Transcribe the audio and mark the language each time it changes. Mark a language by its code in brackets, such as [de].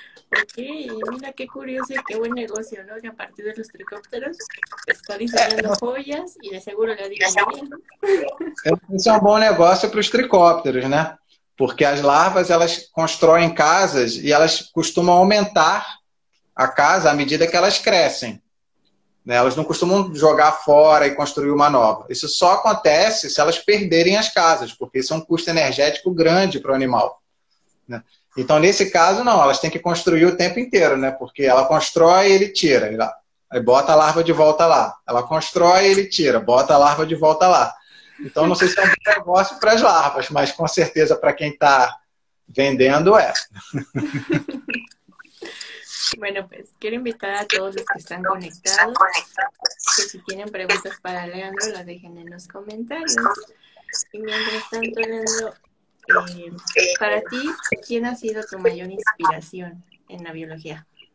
[es] Okay, mira qué curioso y qué buen negocio, ¿no? Que a partir de los tricópteros está diseñando joyas y de seguro le ha ido bien. [pt] Esse é um bom negócio para os tricópteros, né? Porque as larvas, elas constroem casas e elas costumam aumentar a casa à medida que elas crescem, né? Elas não costumam jogar fora e construir uma nova. Isso só acontece se elas perderem as casas, porque isso é um custo energético grande para o animal, né? Então, nesse caso, não, elas têm que construir o tempo inteiro, né? Porque ela constrói e ele tira. Aí bota a larva de volta lá. Ela constrói e ele tira. Bota a larva de volta lá. Então, não sei se é um bom negócio para as larvas, mas com certeza para quem está vendendo é. [es] Bueno, pues quiero invitar a todos los que están conectados, que si tienen preguntas para Leandro, las dejen en los comentarios. Y mientras tanto, Leandro, para ti, ¿quién ha sido tu mayor inspiración en la biología?